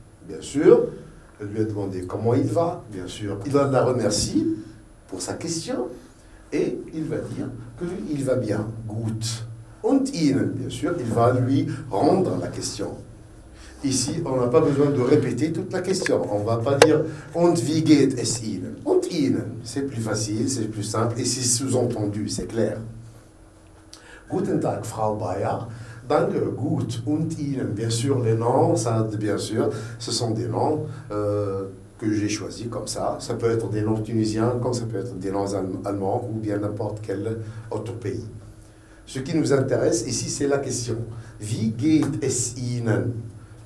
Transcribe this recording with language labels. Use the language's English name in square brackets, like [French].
[French] Bien sûr, elle lui a demandé comment il va. Bien sûr, il la remercie pour sa question et il va dire qu'il va bien. [German] Gut. Und Ihnen? [French] Bien sûr, il va lui rendre la question. Ici, on n'a pas besoin de répéter toute la question. On ne va pas dire « [German] Und wie geht es Ihnen ?»« Und Ihnen ?» [French] C'est plus facile, c'est plus simple et c'est sous-entendu, c'est clair. [German] « Guten Tag, Frau Bayer. »« Danke, gut, und Ihnen ?» [French] Bien sûr, les noms, ça, bien sûr, ce sont des noms que j'ai choisis comme ça. Ça peut être des noms tunisiens, comme ça peut être des noms allemands ou bien n'importe quel autre pays. Ce qui nous intéresse ici, c'est la question. « [German] Wie geht es Ihnen ?»